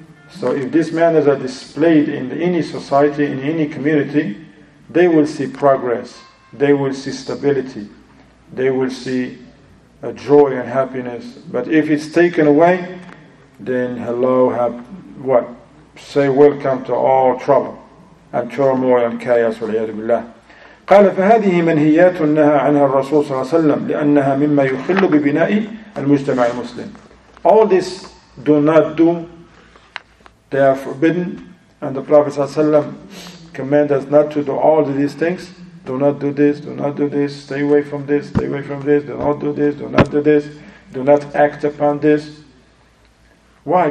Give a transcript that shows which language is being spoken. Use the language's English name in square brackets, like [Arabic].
[English] So if these manners are displayed in any society, in any community, they will see progress, they will see stability, they will see a joy and happiness. But if it's taken away, then hello, say welcome to all trouble and turmoil and chaos, [Arabic] وَلَيَادُ بِاللَّهِ. قال فهذه منهيات نهى عنها الرسول صلى الله عليه وسلم لأنها مما يخل ببناء المجتمع المسلم. [English] All this do not do, they are forbidden, and the Prophet ﷺ commanded us not to do all of these things. Do not do this, do not do this, stay away from this, stay away from this, do not do this, do not do this, do not act upon this. Why?